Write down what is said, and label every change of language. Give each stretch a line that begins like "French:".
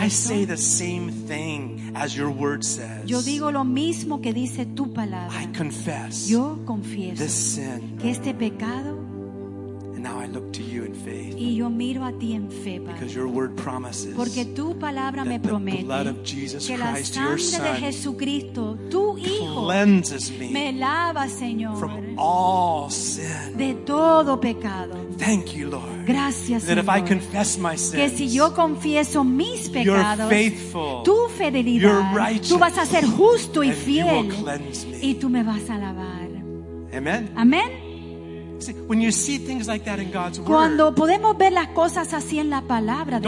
English: I say the same thing as your word says.
Spanish: Yo digo lo mismo que dice tu palabra.
English: I confess.
Spanish: Yo confieso.
English: This sin.
Spanish: Que este pecado.
English: And now I look to you in faith.
Spanish: Y yo miro a ti en fe, Padre.
English: Because your word promises.
Spanish: Porque tu palabra me promete.
English: That the blood of Jesus
Spanish: que
English: Christ,
Spanish: la sangre
English: your son,
Spanish: de Jesucristo, tu hijo,
English: cleanses me.
Spanish: Me lava, Señor.
English: From all sin.
Spanish: De todo pecado.
English: Thank you, Lord.
Spanish: Gracias,
English: that if I confess my sins,
Spanish: que si yo confieso mis pecados,
English: you're faithful,
Spanish: tu fidelidad,
English: you're righteous,
Spanish: tú vas a ser justo y fiel,
English: and you will cleanse me.
Spanish: Y tú me vas a lavar.
English: Amen.
Spanish: Amen.
English: See, when you see things like that in God's word,
Spanish: cuando podemos ver las cosas así en la palabra de